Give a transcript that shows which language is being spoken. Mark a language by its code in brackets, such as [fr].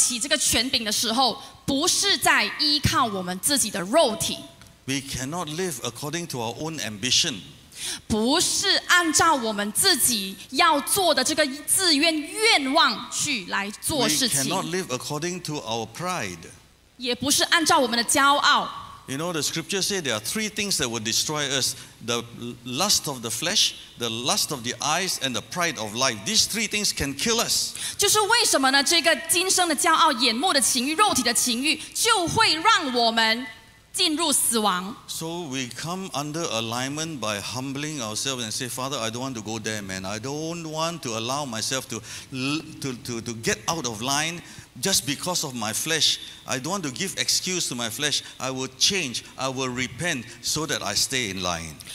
[zh] 所以呢，当我们在说住在还有对齐这个权柄的时候， 不是在依靠我们自己的肉体。 [en] We cannot live according to our own ambition. [zh] 不是按照我们自己要做的这个自愿愿望去来做事情。 [en] We cannot live according to our pride. [zh] 也不是按照我们的骄傲。 [en] You know, the scripture says there are three things that will destroy us: the lust of the flesh, the lust of the eyes, and the pride of life. These three things can kill us. [zh] 就是为什么呢？这个今生的骄傲、眼目的情欲、肉体的情欲，就会让我们 进入死亡。 [en] So we come under alignment by humbling ourselves and say, Father, I don't want to go there, man. I don't want to allow myself to get out of line just because of my flesh. I don't want to give excuse to my flesh. I will change. I will repent so that I stay in line.